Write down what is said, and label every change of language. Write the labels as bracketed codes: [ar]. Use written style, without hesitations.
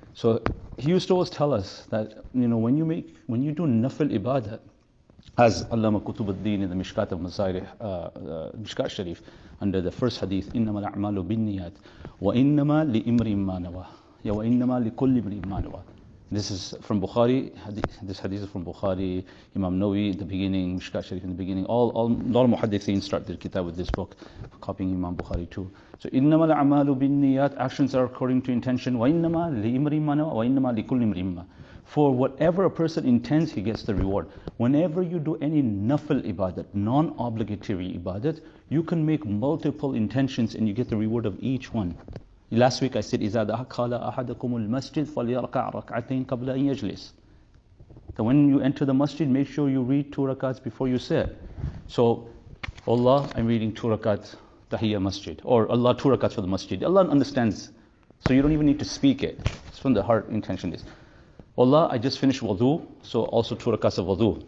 [en] So he used to always tell us that, you know, when you do nafil ibadah, as Allama Kutubuddin in the Mishkat al-Masarih, Mishkat Sharif, under the first hadith, [ar] إِنَّمَا الْأَعْمَالُ بِالنِّيَاتِ وَإِنَّمَا لِإِمْرِئٍ مَّا نَوَى [en] يَا وَإِنَّمَا لِكُلِّ إِمْرِئٍ مَّا نَوَى. This is from Bukhari, this hadith is from Bukhari, Imam Nawawi in the beginning, Mishkat Sharif in the beginning. All muhaddithin start their kitab with this book, copying Imam Bukhari too. So [ar] إِنَّمَا الْأَعْمَالُ بِالنِّيَاتِ, [en] actions are according to intention, [ar] وَإِنَّمَا لِإِمْرِئٍ مَّا نَوَى وَإِنَّمَا لِكُلِّ إِمْرِئٍ مَّا. [en] For whatever a person intends, he gets the reward. Whenever you do any nafil ibadat, non-obligatory ibadat, you can make multiple intentions and you get the reward of each one. Last week I said, [ar] إِذَا دَخَلَ أَحَدَكُمُ الْمَسْجِدِ فَلْيَرْكَعْ رَكْعَتَيْنِ قَبْلَ أَنْ يَجْلِسِ. [en] So when you enter the masjid, make sure you read two rakats before you sit. So, Allah, I'm reading two rakats, tahiyya masjid. Or Allah, two rakats for the masjid. Allah understands. So you don't even need to speak it. It's from the heart intention is. Allah, I just finished wudu, so also two rakats of wudu.